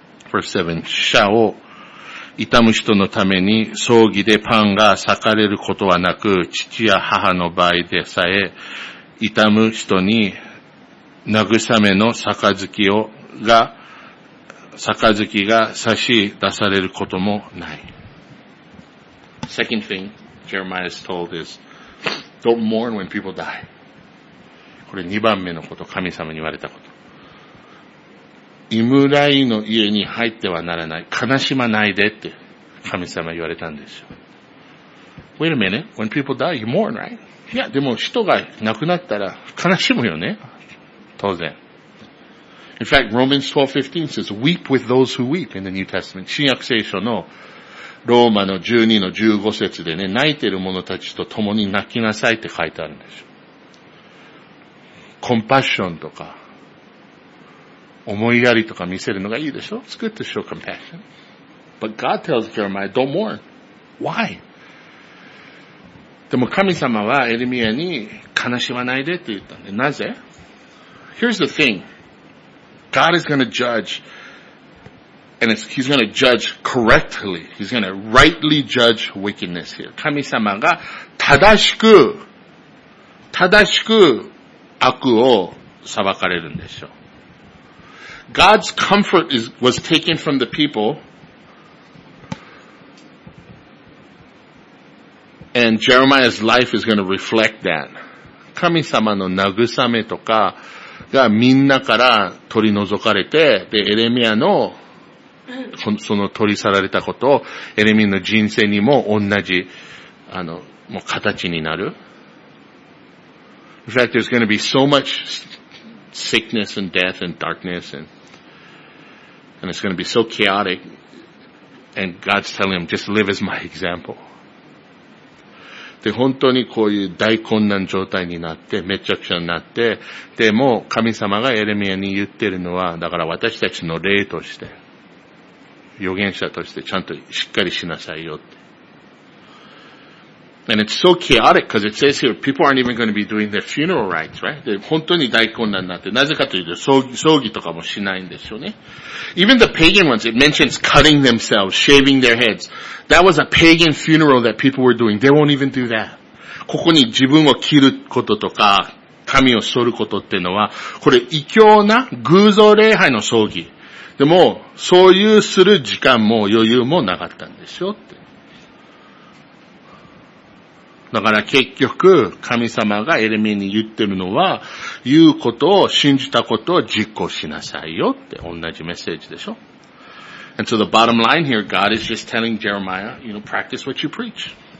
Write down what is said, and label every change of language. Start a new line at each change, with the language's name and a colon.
Japanese: Verse 7. 死者を痛む人のために葬儀でパンが裂かれることはなく、父や母の場合でさえ、痛む人に慰めの杯が差し出されることもない。
English: Second thing Jeremiah is told is, don't mourn when people die.
Japanese: これ二番目のこと、神様に言われたこと。イムライの家に入ってはならない。悲しまないでって神様言われたんですよ。
English: Wait a minute. When people die, you mourn, right?
Japanese: いや、でも人が亡くなったら悲しむよね。当然。
English: In fact, Romans 12:15 says, weep with those who weep in the New Testament.
Japanese: 新約聖書のローマの12の15節でね、泣いてる者たちと共に泣きなさいって書いてあるんですよ。コンパッションとか、思いやりとか見せるのがいいでしょ?
English: It's good to show compassion. But God tells Jeremiah, don't mourn. Why?
Japanese: でも神様はエレミヤに悲しまないでって言ったんで、なぜ?
English: Here's the thing. God is going to judge, and he's going to judge correctly. He's going to rightly judge wickedness here.
Japanese: 神様が正しく悪を裁かれるんでしょ。
English: God's comfort was taken from the people, and Jeremiah's life is going to reflect that.
Japanese: 神様の慰めとかがみんなから取り除かれて、で、エレミアのその取り去られたことをエレミアの人生にも同じもう形になる。
English: In fact, there's going to be so much sickness and death and darkness and it's going to be so chaotic, and God's telling him, just live as my example.
Japanese: で、本当にこういう大混乱状態になって、めちゃくちゃになって、でも神様がエレミヤに言ってるのは、だから私たちの例として、預言者としてちゃんとしっかりしなさいよって。
English: And it's so chaotic because it says here people aren't even going to be doing their funeral rites, right?
Japanese: で、本当に大混乱になって、なぜかというと葬儀とかもしないんですよね。
English: Even the pagan ones, it mentions cutting themselves, shaving their heads. That was a pagan funeral that people were doing. They won't even do that.
Japanese: ここに自分を切ることとか、髪を剃ることっていうのは、これ異教な偶像礼拝の葬儀。でも、そういうする時間も余裕もなかったんですよって。だから結局神様がエレミアに言ってるのは、言うことを信じたことを実行しなさいよって同じメッセージでしょ。
English: And so the bottom line here, God is just telling Jeremiah, you know, practice what you preach.